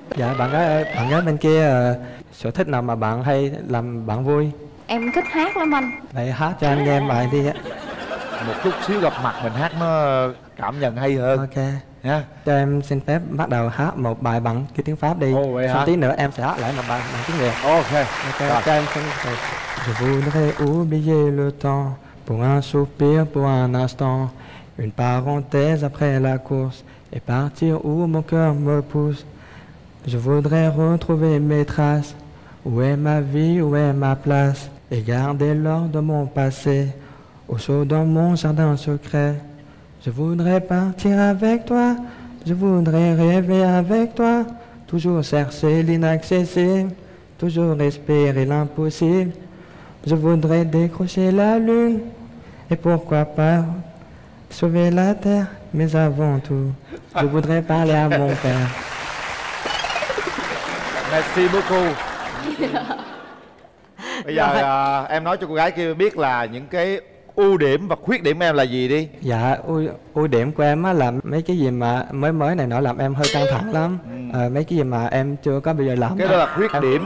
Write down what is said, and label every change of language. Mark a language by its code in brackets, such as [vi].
[vi] Dạ, bạn gái bên kia sở thích nào mà bạn hay làm bạn vui? Em thích hát lắm anh. Vậy hát cho anh nghe em bài đi á. Một chút xíu gặp mặt mình hát nó cảm nhận hay hơn. Ok. Cho em xin phép bắt đầu hát một bài bằng tiếng Pháp đi. Ồ, vậy hả? Xong tí nữa em sẽ hát lại một bài bằng tiếng Việt. Ok. Cho em xin phép. [fr] Je voudrais oublier le temps pour un soupir, pour un instant, une parenthèse après la course et partir où mon cœur me pousse. Je voudrais retrouver mes traces, où est ma vie, où est ma place, et garder l'or de mon passé au chaud dans mon jardin secret. Je voudrais partir avec toi, je voudrais rêver avec toi, toujours chercher l'inaccessible, toujours espérer l'impossible. Je voudrais décrocher la lune et pourquoi pas sauver la terre, mais avant tout, je voudrais parler à mon père. Merci beaucoup. [vi] Bây giờ em nói cho cô gái kia biết là những cái ưu điểm và khuyết điểm em là gì đi. Dạ, ưu điểm của em á là mấy cái gì mà mới này nó làm em hơi căng thẳng lắm. Mấy cái gì mà em chưa có bây giờ làm. Cái đó là khuyết điểm.